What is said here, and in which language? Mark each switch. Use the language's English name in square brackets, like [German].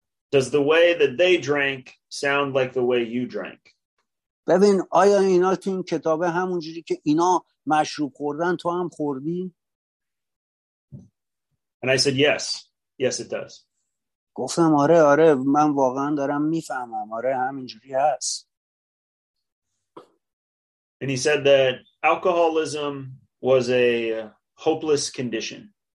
[English] Does the way that they drank sound like the way you drank? [Persian] ببین آیا اینا تو این کتاب همون جوری که اینا مشروب خوردن تو هم خوردی؟ [English] And I said yes it does. [Persian] گفتم آره من واقعا دارم میفهمم، آره همین جوری هست. [English] And he said that alcoholism was a hopeless condition.